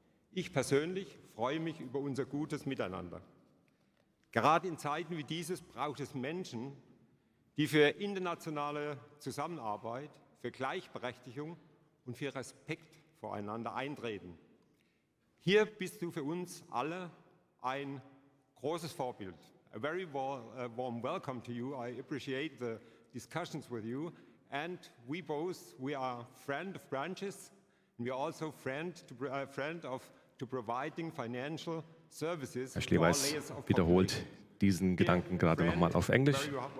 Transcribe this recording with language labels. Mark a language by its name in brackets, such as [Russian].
[German] Ich persönlich freue mich über unser gutes Miteinander. Gerade in Zeiten wie dieses braucht es Menschen, die für internationale Zusammenarbeit, für Gleichberechtigung und für Respekt voreinander eintreten. Hier bist du für uns alle ein großes Vorbild. [English] A very warm welcome to you. I appreciate the discussions with you. And we are friend of branches. And we are also friend of providing financial services. [German] Herr Schleweis wiederholt diesen Gedanken gerade nochmal auf Englisch.